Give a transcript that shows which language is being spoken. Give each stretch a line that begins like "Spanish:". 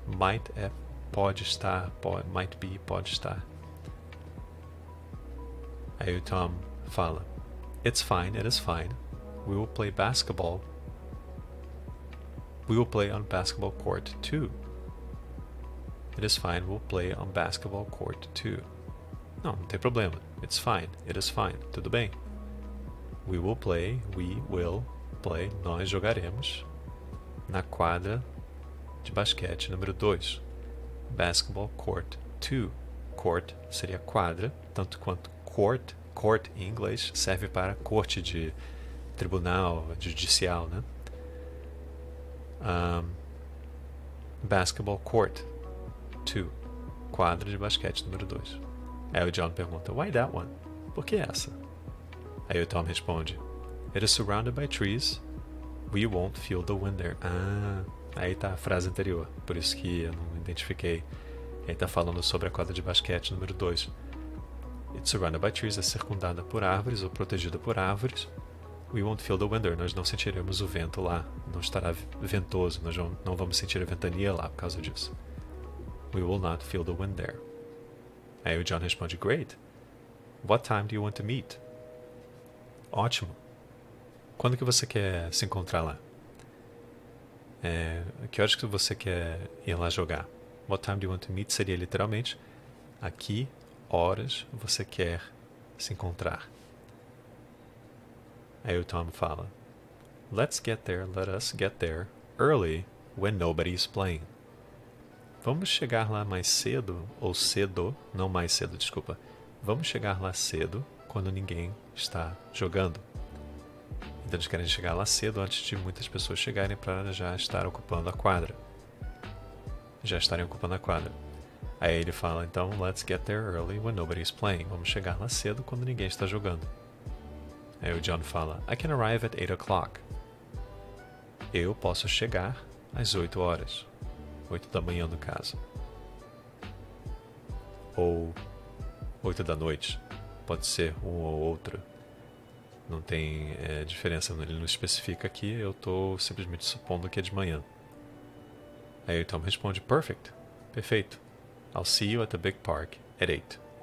Portuguese: Might é pode estar, might be, pode estar. Aí o Tom fala:
English: It's fine, it is fine. We will play basketball. We will play on basketball court too. It is fine, we'll play on basketball court too.
Portuguese: Não, não tem problema.
English: It is fine,
Portuguese: tudo bem.
English: We will play, we will play,
Portuguese: nós jogaremos na quadra de basquete número 2.
English: Basketball court 2.
Portuguese: Court seria quadra, tanto quanto court, court em inglês, serve para corte de tribunal, de judicial, né?
English: Basketball court 2.
Portuguese: Quadra de basquete número 2. Aí o John pergunta,
English: why that one?
Portuguese: Por que essa? Aí o Tom responde,
English: it is surrounded by trees, we won't feel the wind there.
Portuguese: Ah, aí tá a frase anterior, por isso que eu não identifiquei. Ele tá falando sobre a quadra de basquete número 2.
English: It's surrounded by trees,
Portuguese: é circundada por árvores ou protegida por árvores.
English: We won't feel the wind there.
Portuguese: Nós não sentiremos o vento lá, não estará ventoso, nós não vamos sentir a ventania lá por causa disso.
English: We will not feel the wind there.
Portuguese: Aí o John responde,
English: great. What time do you want to meet?
Portuguese: Ótimo. Quando que você quer se encontrar lá? Que horas que você quer ir lá jogar?
English: What time do you want to meet
Portuguese: seria literalmente a que horas você quer se encontrar? Aí o Tom fala,
English: let's get there, let us get there early when nobody is playing.
Portuguese: Vamos chegar lá mais cedo, ou cedo, não mais cedo, desculpa. Vamos chegar lá cedo quando ninguém está jogando. Então eles querem chegar lá cedo antes de muitas pessoas chegarem para já estar ocupando a quadra. Já estarem ocupando a quadra. Aí ele fala, então,
English: let's get there early when nobody is playing.
Portuguese: Vamos chegar lá cedo quando ninguém está jogando. Aí o John fala,
English: I can arrive at 8 o'clock.
Portuguese: Eu posso chegar às 8 horas. 8 da manhã, no caso. Ou 8 da noite. Pode ser um ou outro. Não tem diferença. Ele não especifica aqui. Eu estou simplesmente supondo que é de manhã. Aí o Tom responde, perfect. Perfeito.
English: I'll see you at the Big Park at 8.